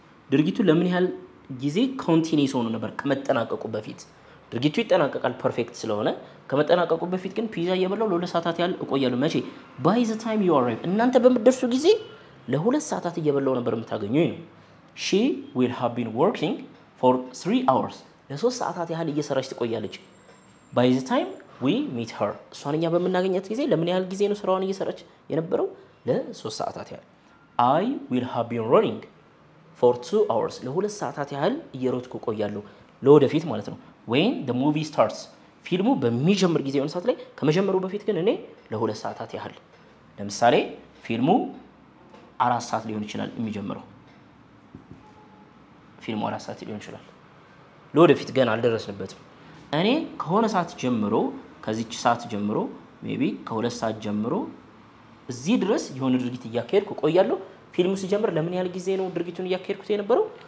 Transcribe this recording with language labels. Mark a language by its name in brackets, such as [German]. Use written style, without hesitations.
[Amharic] ድርጊቱ ለምን ያህል ጊዜ continuous ሆኖ ነበር ከመጠናቀቁ በፊት? ድርጊቱ ይጠናቀቃል perfect ስለሆነ ከመጠናቀቁ በፊት ግን ፒዛ እየበላው ለ2 ሰዓታት ያህል እቆያለሁ መቼ? [English] By the time you arrive. [Amharic] እናንተ በመድረሱ ጊዜ ለ2 ሰዓታት እየበላው ነበር የምታገኙኝ ነው። [English] She will have been working for 3 hours. [Amharic] ለ3 ሰዓታት ያህል እየሰራች ትቆያለች። [English] By the time we meet her. [Amharic] እሷን እኛ በመናገኛት ጊዜ ለምን ያህል ጊዜ ነው ስራውን እየሰራች የነበረው? ለ3 ሰዓታት ያህል። [English] I will have been running for 2 hours. [Amharic] ለ2 ሰዓታት ያህል እየሮጥኩ ቆያለሁ ለወደፊት ማለት ነው። [English] When the movie starts. [Amharic] ፊልሙ በሚጀምር ጊዜ የሆነ ሰዓት ላይ ከመጀመሩ በፊት ግን እኔ ለ2 ሰዓታት ያህል። ለምሳሌ ፊልሙ 4 ሰዓት ሊሆን ይችላል የሚጀምረው። ፊልሙ 4 ሰዓት ሊሆን ይችላል። ለወደፊት ግን አልደረስንበትም። እኔ ከሆነ ሰዓት ጀምሮ ከዚች ሰዓት ጀምሮ ሜቢ ከ2 ሰዓት ጀምሮ እዚህ ድረስ የሆነ ድርጊት እያካሄድኩ ቆያለሁ። ፊልሙ ሲጀምር ለምን ያህል ጊዜ ነው ድርጊቱን እያካሄድኩት የነበረው?